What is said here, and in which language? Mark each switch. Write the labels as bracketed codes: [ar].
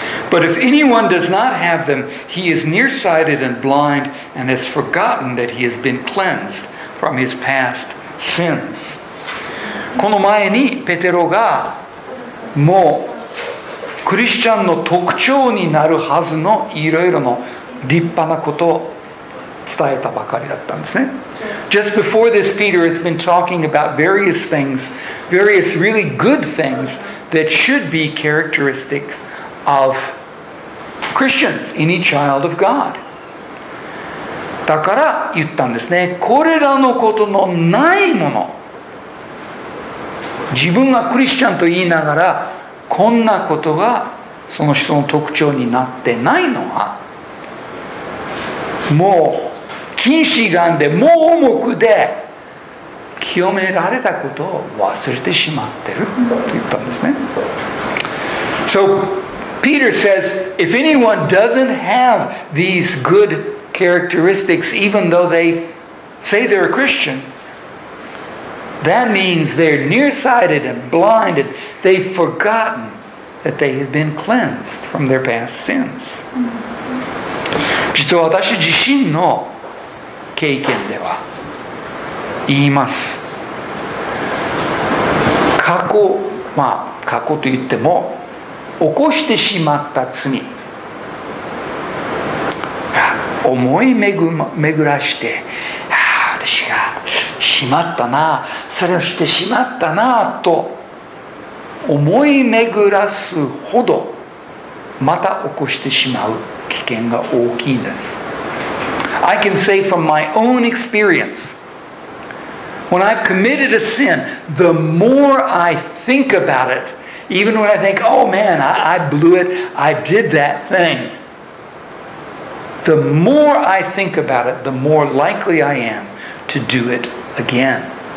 [en] But if anyone does not have them, he is nearsighted and blind and has forgotten that he has been cleansed from his past sins. [ja] この前にペテロがもうクリスチャンの特徴になるはずのいろいろの立派なことを伝えたばかりだったんですね。 [en] Just before this, Peter has been talking about various things, various really good things that should be characteristics of Christians, any child of God. [ja] だから言ったんですね。これらのことのないもの、自分がクリスチャンと言いながらこんなことがその人の特徴になってないのは、もう近視眼で盲目で清められたことを忘れてしまってるって言ったんですね。 [en] So Peter says, if anyone doesn't have these good characteristics, even though they say they're a Christian, that means they're nearsighted and blind and they've forgotten that they have been cleansed from their past sins. [ja] 実は私自身の経験では言います。過去といっても起こしてしまった罪、思い巡らして、私がしまったな、それをしてしまったなと思い巡らすほど、また起こしてしまう危険が大きいんです。 [en] I can say from my own experience, when I've committed a sin, the more I think about it, even when I think, oh man, I blew it, I did that thing, the more I think about it, the more likely I am to do it again.